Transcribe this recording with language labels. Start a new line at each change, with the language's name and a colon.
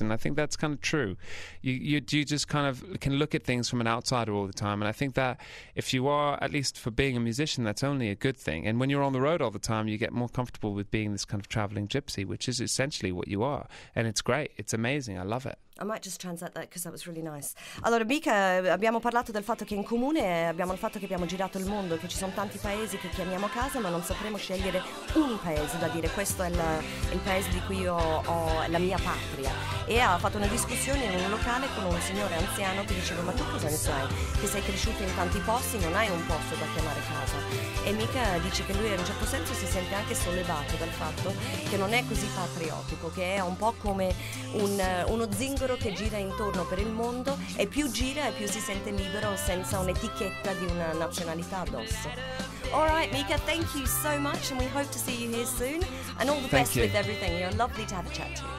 English: And I think that's kind of true. You just kind of can look at things from an outsider all the time. And I think that if you are, at least for being a musician, that's only a good thing. And when you're on the road all the time, you get more comfortable with being this kind of traveling gypsy, which is essentially what you are. And it's great. It's amazing. I love it. I might just translate that because that was really nice.
Italian: Allora, Mika, abbiamo parlato del fatto che in comune abbiamo il fatto che abbiamo girato il mondo, che ci sono tanti paesi che chiamiamo casa, ma non sapremo scegliere un paese da dire questo è il paese di cui io ho la mia patria. E ha fatto una discussione in un locale con un signore anziano che diceva: ma tu cosa ne sai? Che sei cresciuto in tanti posti, non hai un posto da chiamare casa. E Mika dice che lui in un certo senso si sente anche sollevato dal fatto che non è così patriottico, che è un po' come uno zingaro che gira intorno per il mondo, e più gira e più si sente libero senza un'etichetta di una nazionalità addosso.
English: All right, Mika, thank you so much, and we hope to see you here soon, and all the best with everything. You're lovely to have a chat to.